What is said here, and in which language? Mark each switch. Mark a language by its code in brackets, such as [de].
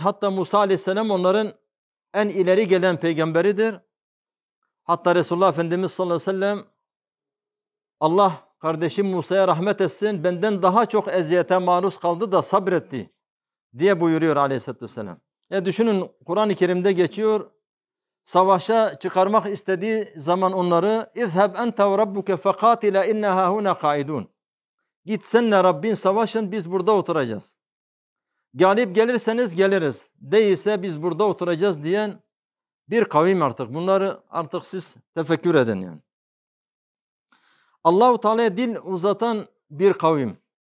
[tr] Hatta Musa aleyhisselam onların en ileri gelen peygamberidir. Hatta Resulullah Efendimiz sallallahu aleyhi ve sellem, Allah kardeşim Musa'ya rahmet etsin, benden daha çok eziyete maruz kaldı da sabretti diye buyuruyor aleyhissalatü vesselam. Ya düşünün, Kur'an-ı Kerim'de geçiyor. Savaşa çıkarmak istediği zaman onları, [ar] اِذْهَبْ اَنْتَ وَرَبُّكَ فَقَاتِلَ اِنَّهَا هُنَا قَائِدُونَ. [tr] Git senle Rabbin, savaşın, biz burada oturacağız. Galip gelirseniz geliriz, değilse biz burada oturacağız diyen bir kavim artık. Bunları artık siz tefekkür edin yani. Allah-u Teala'ya dil uzatan bir kavim.